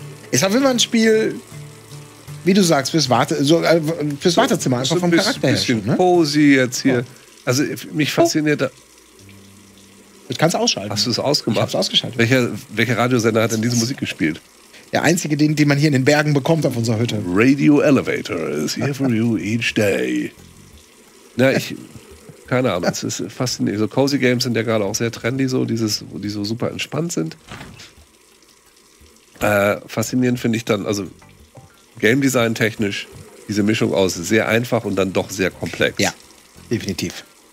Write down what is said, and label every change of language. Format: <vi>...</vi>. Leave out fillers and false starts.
<de>Ist auf jeden Fall ein Spiel, wie du sagst, fürs Wartezimmer, einfach vom Charakter her. Ein bisschen cozy jetzt hier. Oh. Also mich fasziniert. Oh. Das kannst du ausschalten. Hast du es ausgemacht? Ich hab's ausgeschaltet. Welcher Radiosender hat denn diese Musik gespielt? Der einzige, den man hier in den Bergen bekommt auf unserer Hütte.</de> <en>Radio Elevator is here for you each day.</en> <de>Na, ich. Keine Ahnung, es ist faszinierend. So Cozy Games sind ja gerade auch sehr trendy, so, die so super entspannt sind. Faszinierend finde ich dann, also Game Design technisch, diese Mischung aus sehr einfach und dann doch sehr komplex. Ja, definitiv.</de>